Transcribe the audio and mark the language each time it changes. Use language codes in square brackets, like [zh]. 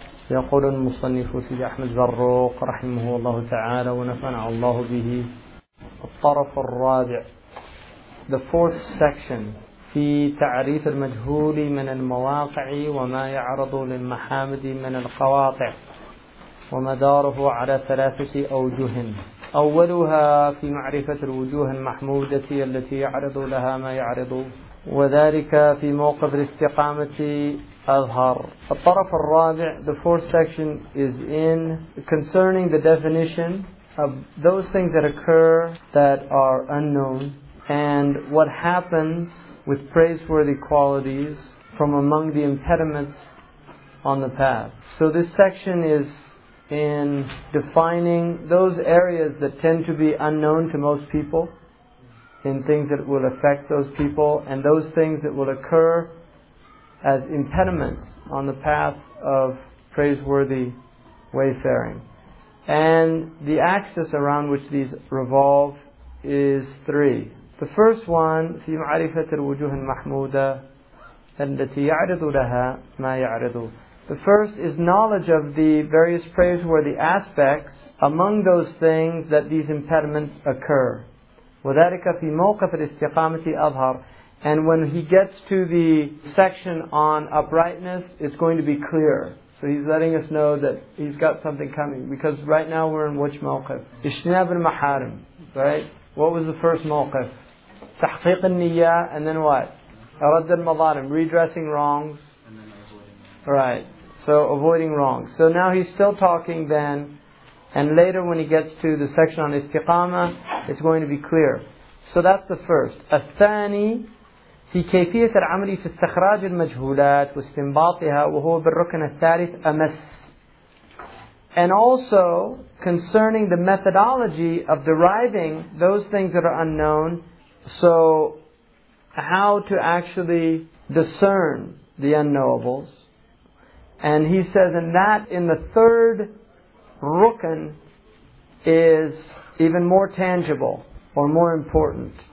[ar] يقول المصنف سيدي أحمد زروق رحمه الله تعالى ونفعنا الله به، الطرف الرابع، [en] the fourth section، [ar] في تعريف المجهول من المواقع وما يعرض للمحامد من القواطع ومداره على ثلاثة أوجه. أولها في معرفة الوجوه المحمودة التي يعرض لها ما يعرض، وذلك في موقف الاستقامة أظهر. الطرف الرابع، [en] the fourth section is in concerning the definition of those things that occur that are unknown and what happens with praiseworthy qualities from among the impediments on the path. So this section is in defining those areas that tend to be unknown to most people, in things that will affect those people, and those things that will occur as impediments on the path of praiseworthy wayfaring. And the axis around which these revolve is three. The first one, [ar] في معرفة الوجوه المحمودة التي يعرض لها ما يعرض. [en] The first is knowledge of the various praiseworthy aspects among those things that these impediments occur. [ar] وَذَلِكَ فِي مَوْقَفِ الْإِسْتِقَامَةِ أَظْهَرُ. [en] And when he gets to the section on uprightness, it's going to be clear. So he's letting us know that he's got something coming. Because right now we're in which mawqif? [ar] إِشْنَابِ الْمَحَارِمِ. [en] Right? What was the first mawqif? [ar] تحقيق النية. [en] And then what? [ar] أَرَدَّ الْمَظَالِمِ. [en] Redressing wrongs. And then avoiding. Right. So avoiding wrongs. So now he's still talking then. And later when he gets to the section on istiqamah, it's going to be clear. So that's the first. [ar] الثاني في كيفية العمل في استخراج المجهولات واستنباطها وهو بالركن الثالث أمس. [en] And also concerning the methodology of deriving those things that are unknown, so how to actually discern the unknowables. And he says in that, in the third ركن is even more tangible or more important.